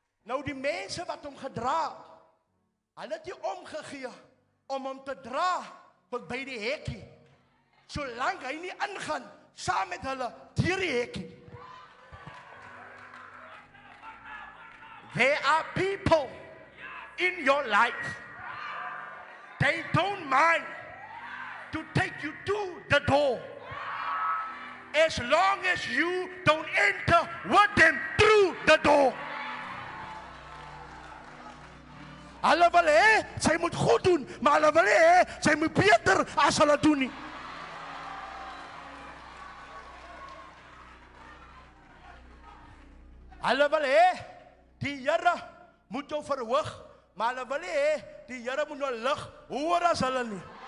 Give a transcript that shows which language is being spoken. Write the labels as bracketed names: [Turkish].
[Afrikaans] Nou die mense wat hom gedra, hulle het hom omgegee om hom te dra tot by die hekkie, solank hy nie ingaan saam met hulle deur die hekkie. [English] There are people in your life, they don't mind to take you to the door as long as you don't enter with them through the door. [Afrikaans] Hulle wil hê, sy moet goed doen, maar hulle wil hê, sy moet beter as hulle doen nie. Hulle wil hê, die Here moet jou verhoog, maar hulle wil hê, die Here moet jou lig hoër as hulle nie.